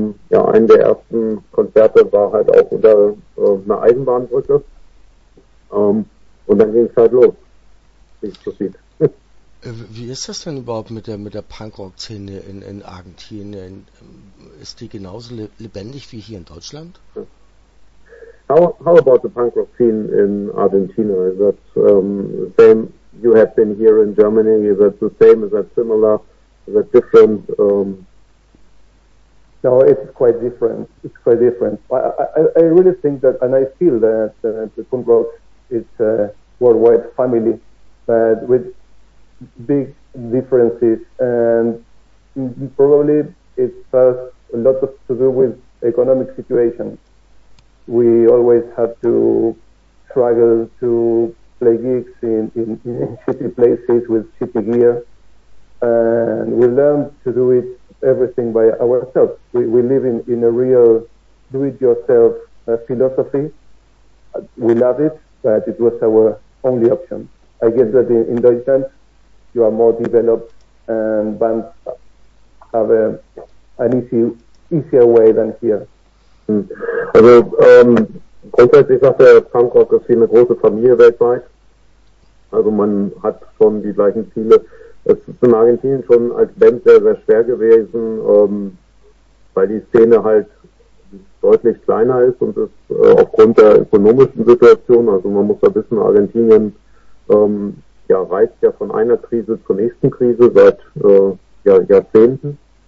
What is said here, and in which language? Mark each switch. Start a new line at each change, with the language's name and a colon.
German: Ja, ein der ersten Konzerte war halt auch unter einer Eisenbahnbrücke. Und dann ging es halt los, wie es so sieht. Wie ist das denn überhaupt mit der Punkrock-Szene in Argentinien? Ist die genauso lebendig wie hier in Deutschland? Ja.
English: How about the punk rock scene in Argentina? Is that the same you have been here in Germany? Is that the same? Is that similar? Is that different? No, it's quite different. It's quite different. I really think that, and I feel that the punk rock is a worldwide family, but with big differences, and probably it has a lot to do with economic situation. We always have to struggle to play gigs in shitty places with shitty gear. And we learn to do it everything by ourselves. We live in a real do-it-yourself philosophy. We love it, but it was our only option. I guess that in Deutschland, you are more developed and bands have an easier way than here.
German: Also grundsätzlich sagt der Punkrock ist wie eine große Familie weltweit. Also man hat schon die gleichen Ziele. Es ist in Argentinien schon als Band sehr, sehr schwer gewesen, weil die Szene halt deutlich kleiner ist und es aufgrund der ökonomischen Situation, also man muss ja wissen, Argentinien ja, reist ja von einer Krise zur nächsten Krise seit Jahrzehnten.